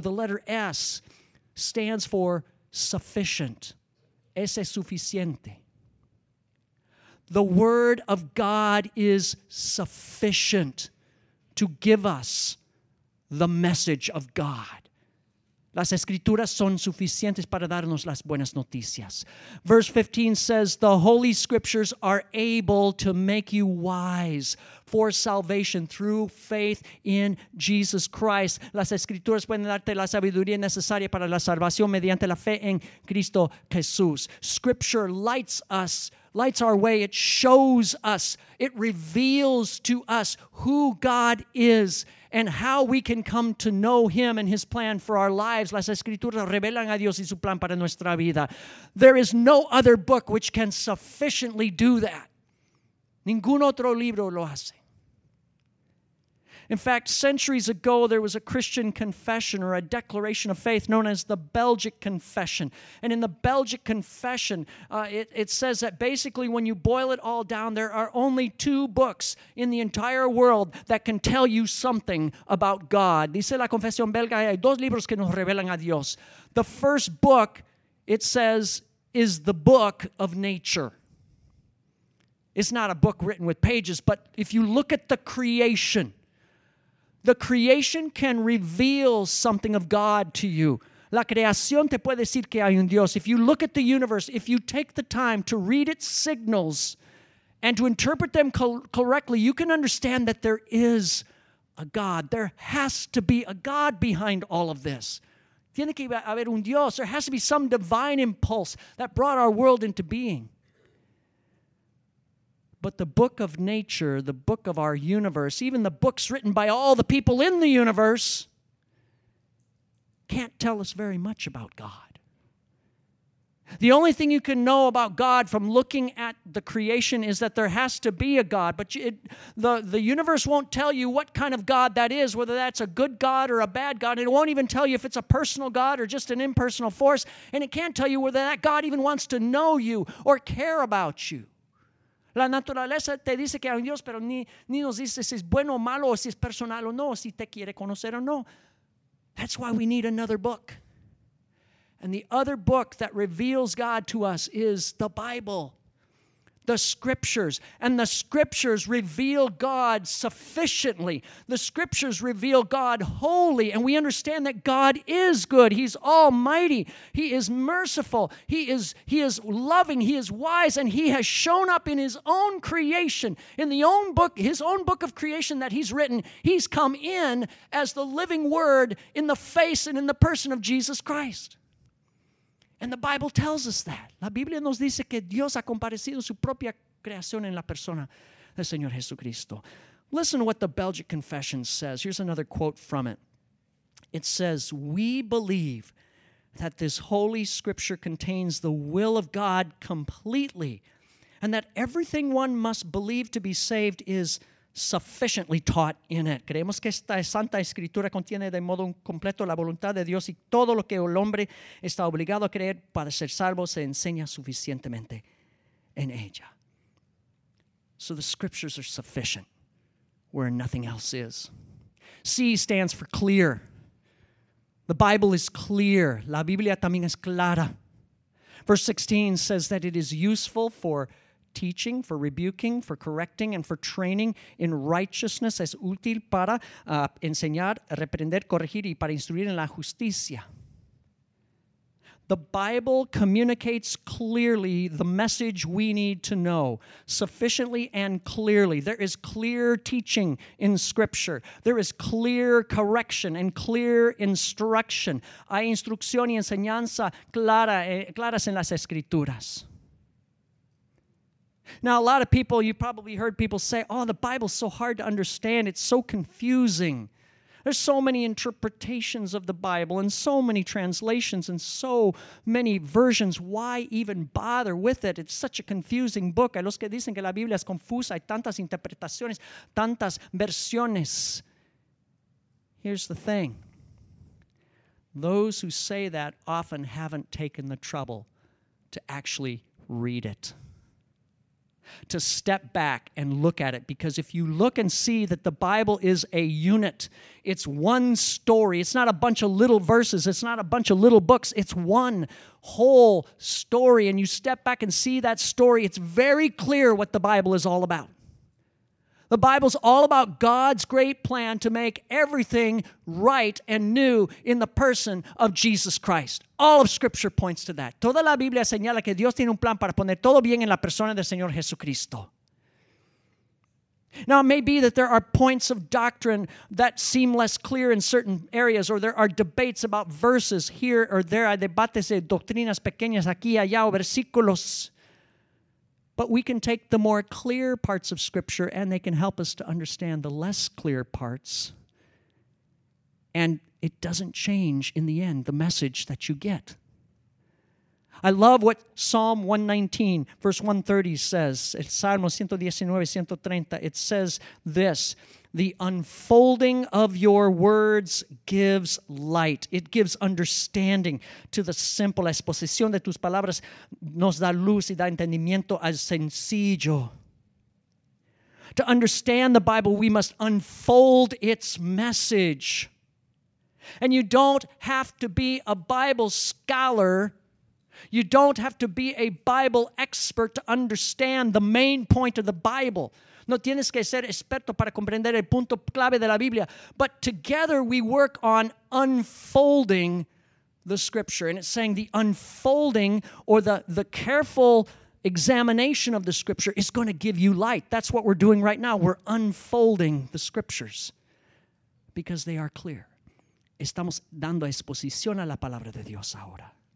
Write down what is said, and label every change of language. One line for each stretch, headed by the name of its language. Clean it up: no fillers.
English: The letter S stands for sufficient.
Spanish: Es suficiente.
English: The Word of God is sufficient to give us the message of God.
Spanish: Las Escrituras son suficientes para darnos las buenas noticias.
English: Verse 15 says, the Holy Scriptures are able to make you wise for salvation through faith in Jesus Christ.
Spanish: Las Escrituras pueden darte la sabiduría necesaria para la salvación mediante la fe en Cristo Jesús.
English: Scripture lights us, lights our way. It shows us, it reveals to us who God is and how we can come to know Him and His plan for our lives.
Spanish: Las Escrituras revelan a Dios y su plan para nuestra vida.
English: There is no other book which can sufficiently do that.
Spanish: Ningún otro libro lo hace.
English: In fact, centuries ago, there was a Christian confession or a declaration of faith known as the Belgic Confession. And in the Belgic Confession, it says that basically when you boil it all down, there are only two books in the entire world that can tell you something about God.
Spanish: Dice la confesión belga, hay dos libros que nos revelan a Dios.
English: The first book, it says, is the book of nature. It's not a book written with pages, but if you look at the creation, the creation can reveal something of God to you.
Spanish: La creación te puede decir que hay un Dios.
English: If you look at the universe, if you take the time to read its signals and to interpret them correctly, you can understand that there is a God. There has to be a God behind all of this.
Spanish: Tiene que haber un Dios.
English: There has to be some divine impulse that brought our world into being. But the book of nature, the book of our universe, even the books written by all the people in the universe, can't tell us very much about God. The only thing you can know about God from looking at the creation is that there has to be a God. But the universe won't tell you what kind of God that is, whether that's a good God or a bad God. It won't even tell you if it's a personal God or just an impersonal force. And it can't tell you whether that God even wants to know you or care about you.
Spanish: La naturaleza te dice que hay un Dios, pero ni nos dice si es bueno o malo, o si es personal o no, o si te quiere conocer o no.
English: That's why we need another book. And the other book that reveals God to us is the Bible, the Scriptures. And the Scriptures reveal God sufficiently. The Scriptures reveal God wholly. And we understand that God is good. He's almighty. He is merciful. He is loving. He is wise. And He has shown up in His own creation. In the own book, His own book of creation that He's written, He's come in as the living Word in the face and in the person of Jesus Christ. And the Bible tells us that.
Spanish: La Biblia nos dice que Dios ha comparecido en su propia creación en la persona del Señor Jesucristo.
English: Listen to what the Belgic Confession says. Here's another quote from it. It says, "We believe that this holy scripture contains the will of God completely, and that everything one must believe to be saved is sufficiently taught in it."
Spanish: Creemos que esta santa escritura contiene de modo completo la voluntad de Dios y todo lo que el hombre está obligado a creer para ser salvo se enseña suficientemente en ella.
English: So the scriptures are sufficient where nothing else is. C stands for clear. The Bible is clear.
Spanish: La Biblia también es clara.
English: Verse 16 says that it is useful for teaching, for rebuking, for correcting, and for training in righteousness.
Spanish: Es útil para enseñar, reprender, corregir, y para instruir en la justicia.
English: The Bible communicates clearly the message we need to know, sufficiently and clearly. There is clear teaching in Scripture. There is clear correction and clear instruction.
Spanish: Hay instrucción y enseñanza claras en las Escrituras.
English: Now, a lot of people, you probably heard people say, "Oh, the Bible's so hard to understand. It's so confusing. There's so many interpretations of the Bible and so many translations and so many versions. Why even bother with it? It's such a confusing book."
Spanish: A los que dicen que la Biblia es confusa, hay tantas interpretaciones, tantas versiones.
English: Here's the thing. Those who say that often haven't taken the trouble to actually read it, to step back and look at it. Because if you look and see that the Bible is a unit, it's one story. It's not a bunch of little verses. It's not a bunch of little books. It's one whole story. And you step back and see that story, it's very clear what the Bible is all about. The Bible's all about God's great plan to make everything right and new in the person of Jesus Christ. All of Scripture points to that.
Spanish: Toda la Biblia señala que Dios tiene un plan para poner todo bien en la persona del Señor Jesucristo.
English: Now, it may be that there are points of doctrine that seem less clear in certain areas, or there are debates about verses here or there.
Spanish: Hay debates de doctrinas pequeñas aquí, allá, o versículos.
English: But we can take the more clear parts of Scripture and they can help us to understand the less clear parts. it doesn't change in the end the message that you get. I love what Psalm 119, verse 130 says. Salmo 119, 130, it says this: the unfolding of your words gives light. It gives understanding to the simple.
Spanish: La exposición de tus palabras nos da luz y da entendimiento al sencillo.
English: To understand the Bible, we must unfold its message. And you don't have to be a Bible scholar. You don't have to be a Bible expert to understand the main point of the Bible.
Spanish: No tienes que ser experto para comprender el punto clave de la Biblia.
English: But together we work on unfolding the Scripture. And it's saying the unfolding or the careful examination of the Scripture is going to give you light. That's what we're doing right now. We're unfolding the Scriptures because they are clear.
Spanish: Estamos dando exposición a la palabra de Dios ahora.